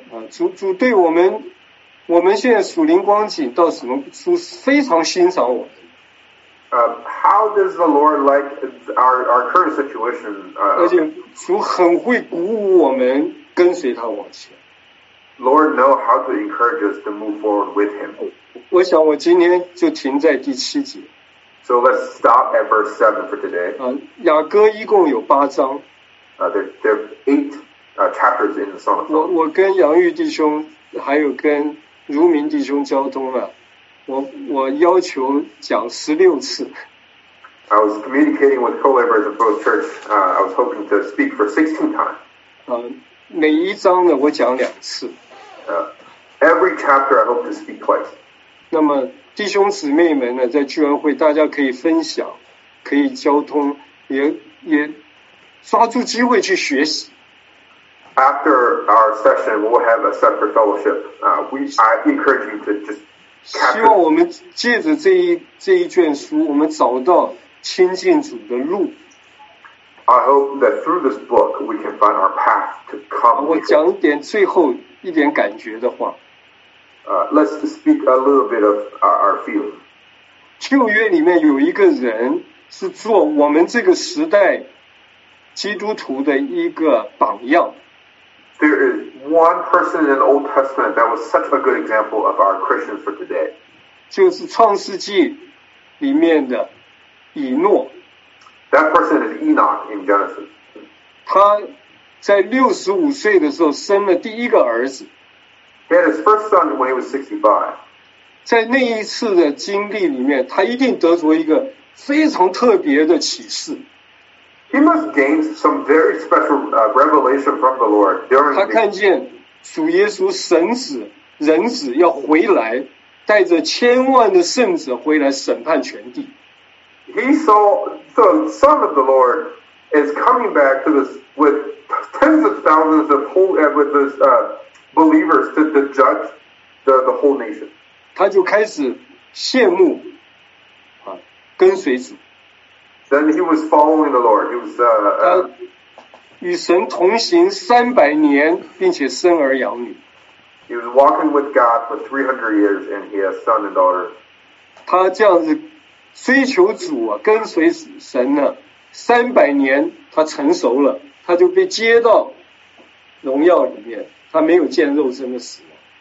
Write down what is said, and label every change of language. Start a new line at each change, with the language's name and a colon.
Chinese: 主对我们现在属灵光景到什么主非常欣赏我们。
English: How does the Lord like our current situation?
Chinese: 而且主很会鼓舞我们跟随他往前。
English: Lord, know how to encourage us to move forward with Him.
Chinese: 我想我今天就停在第七节。
English: So let's stop at verse 7 for today.
Chinese: 雅歌一共有八章。
English: There are eight chapters in the Song of Solomon.
Chinese: 我跟杨玉弟兄还有跟如明弟兄交通了，我要求讲十六次。
English: I was communicating with co-laborers of both church. I was hoping to speak for 16 times.
Chinese: 每一章呢，我讲两次。
English: Every chapter, I hope to speak twice.
Chinese: 那么弟兄姊妹们呢，在聚恩会大家可以分享，可以交通，也抓住机会去学习。
English: After our session, we'll have a separate fellowship. I encourage you to just.
Chinese: 希望我们借着这一卷书，我们找到亲近主的路。
English: I hope that through this book we can find our path to come.
Chinese: 我讲一点最后一点感觉的话。
English: Let's speak a little bit of our feeling.
Chinese: 旧约里面有一个人是做我们这个时代基督徒的一个榜样。
English: There is one person in the Old Testament that was such a good example of our Christians for today.
Chinese: 就是创世纪里面的以诺。
English: That person is Enoch in Genesis.
Chinese: 他在65岁的时候生了第一个儿子。
English: He had his first son when he was 65.
Chinese: 在那一次的经历里面，他一定得着一个非常特别的启示。
English: He must gain some very special revelation from the Lord during.
Chinese: 他看见主耶稣神子人子要回来，带着千万的圣子回来审判全地。
English: He saw the Son of the Lord is coming back to this with tens of thousands of whole with this believers to judge the whole nation.
Chinese: 他就开始羡慕啊，跟随主。
English: Then he was following the Lord. He was
Chinese: 与神同行300年，并且生儿养女。
English: He was walking with God for 300 years, and he has son and daughter.
Chinese: 他这样子。追求主啊，跟随神呢，300年，他成熟了，他就被接到荣耀里面，他没有见肉身的死亡。